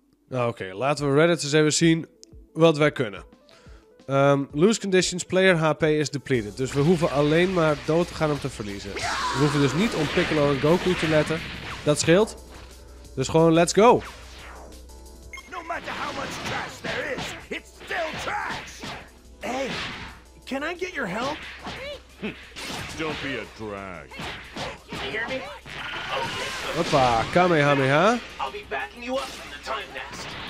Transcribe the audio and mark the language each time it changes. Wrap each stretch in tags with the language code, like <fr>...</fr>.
<nl>Oké, laten we Reddit eens even zien wat wij kunnen.</nl> <en>Lose conditions, player HP is depleted.</en> <nl>Dus we hoeven alleen maar dood te gaan om te verliezen. We hoeven dus niet om Piccolo en Goku te letten. Dat scheelt. Dus gewoon</nl> <en>let's go. No matter how much trash there is, it's still trash. Hey, can I get your help? Don't be a drag. Can you hear me? Hoppa, Kamehameha. I'll be backing you up from the time nest.</en>